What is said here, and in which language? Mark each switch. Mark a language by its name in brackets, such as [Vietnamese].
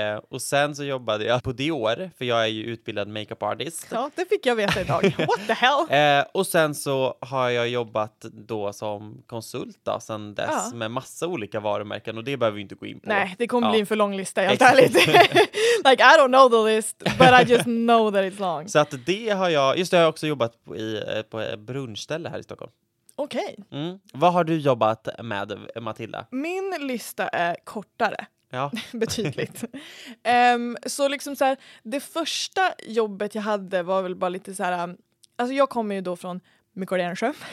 [Swedish] Och sen så jobbade jag på Dior. För jag är ju utbildad makeup artist. Ja, det fick jag veta idag. [English] What the hell? [Swedish] Och sen så har jag jobbat då som konsult då, sen dess. Med massa olika varumärken. Och det behöver vi inte gå in på. Nej, det kommer bli en för lång lista. Helt ärligt. [English] Like, I don't know the list, but I just know that it's long. [Swedish] Så att det har jag, just det, jag har också jobbat på brunchställe här i Stockholm. Okej. [English] Okay. Mm. [Swedish] Vad har du jobbat med, Matilda? Min lista är kortare. Ja. Betydligt. Så liksom så här, det första jobbet jag hade var väl bara lite så här, alltså jag kommer ju då från Mikordensjö.